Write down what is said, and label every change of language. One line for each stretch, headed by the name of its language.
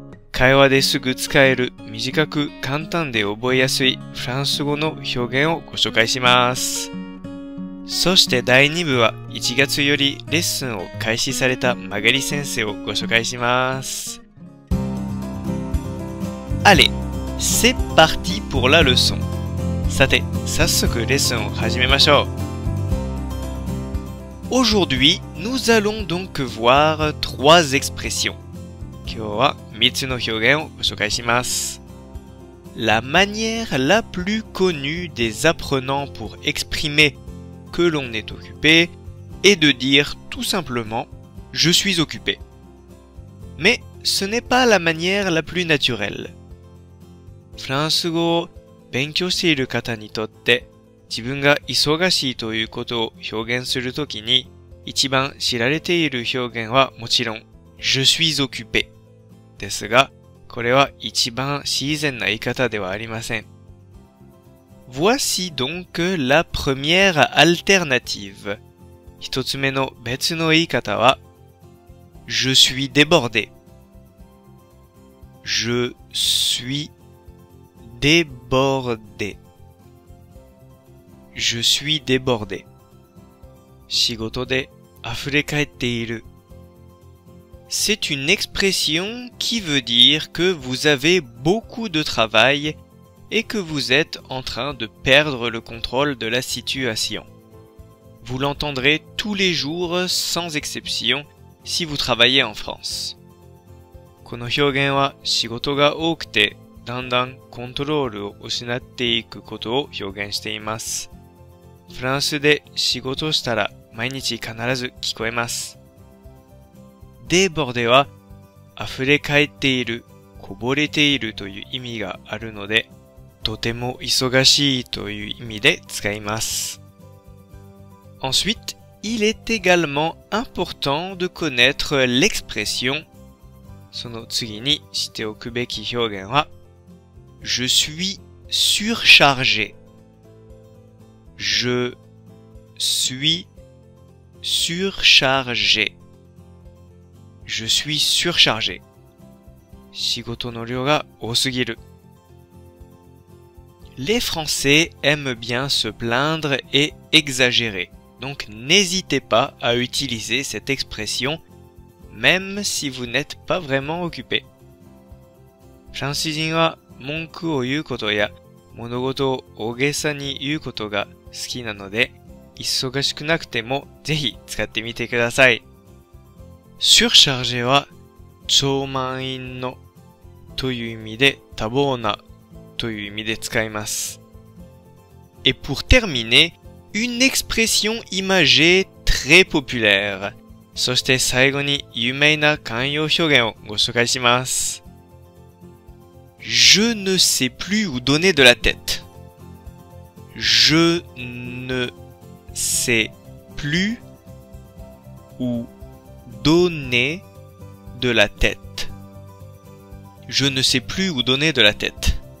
Japanese: 会話ですぐ使える短く簡単で覚えやすいフランス語の表現をご紹介します。そして第2部は1月よりレッスンを開始されたマガリ先生をご紹介します。
French: Allez, c'est parti pour la leçon.
Japanese: さて、早速レッスンを始めましょう。
French: Aujourd'hui, nous allons donc voir trois expressions.
Japanese: 今日は3つの表現をご紹介します。
French: La manière la plus connue des apprenants pour exprimer que l'on est occupé est de dire tout simplement « je suis occupé ». Mais ce n'est pas la manière la plus naturelle.
Japanese: フランス語を勉強している方にとって自分が忙しいということを表現するときに一番知られている表現はもちろん
French: 「je suis occupé」。
Japanese: ですが、これは一番自然な言い方ではありません。
French: Voici donc la première alternative.
Japanese: 一つ目の別の言い方は、
French: Je suis débordé. Je suis débordé. Je suis débordé.
Japanese: 仕事で溢れ返っている。
French: C'est une expression qui veut dire que vous avez beaucoup de travail et que vous êtes en train de perdre le contrôle de la situation. Vous l'entendrez tous les jours sans exception si vous travaillez en France.
Japanese: この表現は仕事が多くてだんだんコントロールを失っていくことを表現しています。フランスで仕事をしたら毎日必ず聞こえます。 débordé は溢れ返っている、こぼれているという意味があるので、とても忙しいという意味で使います。
French: Ensuite, il est également important de connaître l'expression
Japanese: その次に知っておくべき表現は
French: Je suis surchargé. Je suis surchargé. Je suis surchargé.
Japanese: 仕事の量が多すぎる。
French: Les Français aiment bien se plaindre et exagérer. Donc n'hésitez pas à utiliser cette expression même si vous n'êtes pas vraiment occupé.
Japanese: フランス人は文句を言うことや物事を大げさに言うことが好きなので、忙しくなくてもぜひ使ってみてください。 surchargé は超満員のという意味で多忙なという意味で使います。
French: Et pour terminer, une expression imagée très populaire.
Japanese: そして最後に有名な慣用表現をご紹介します。
French: Je ne sais plus où donner de la tête. Je ne sais plus où donner de la tête. Je ne sais plus où donner de la tête.